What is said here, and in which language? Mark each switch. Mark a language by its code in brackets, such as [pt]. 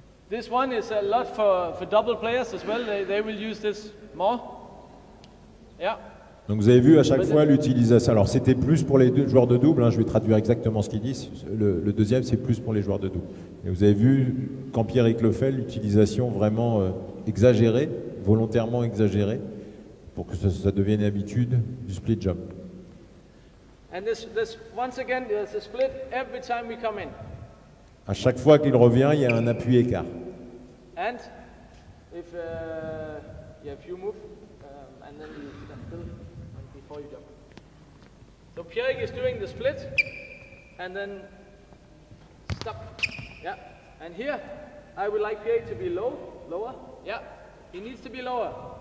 [en] This one is a lot for double players as well. They will use this more. Yeah. [fr] Donc vous avez vu à chaque fois l'utilisation. Alors c'était plus pour les deux joueurs de double, hein, je vais traduire exactement ce qu'ils disent. Le deuxième c'est plus pour les joueurs de double. Et vous avez vu quand Pierrick le fait, l'utilisation vraiment exagérée, volontairement exagérée, pour que ça devienne une habitude du split jump. [en] And this once again there's a split every time we come in. [fr] À chaque fois qu'il revient, il y a un appui écart. [en] And if you have few moves. And then you stand still before you jump. So Pierre is doing the split and then stop. Yeah. And here, I would like Pierre to be lower. Yeah. He needs to be lower.